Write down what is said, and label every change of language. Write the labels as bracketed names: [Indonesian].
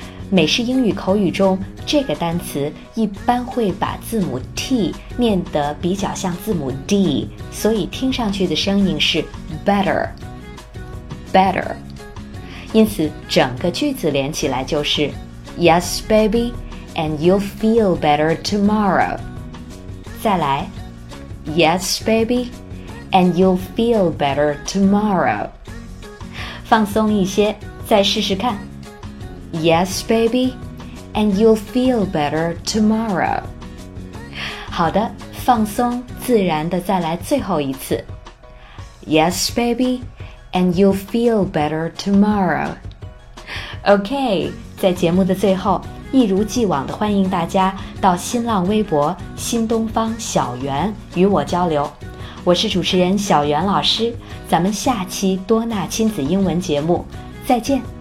[Chinese] 美式英语口语中，这个单词一般会把字母 T 念得比较像字母 D， 所以听上去的声音是 better, better. 因此整个句子连起来就是 [English] Yes, baby, and you'll feel better tomorrow. [Chinese] 再来 [English] Yes, babyAnd you'll feel better tomorrow. [Chinese] 放松一些，再试试看。 [English] Yes, baby, and you'll feel better tomorrow. [Chinese] 好的，放松自然的再来最后一次。 [English] Yes, baby, and you'll feel better tomorrow. [Chinese] OK, 在节目的最后，一如既往的欢迎大家到新浪微博新东方小袁与我交流。我是主持人小袁老师，咱们下期多纳亲子英文节目再见。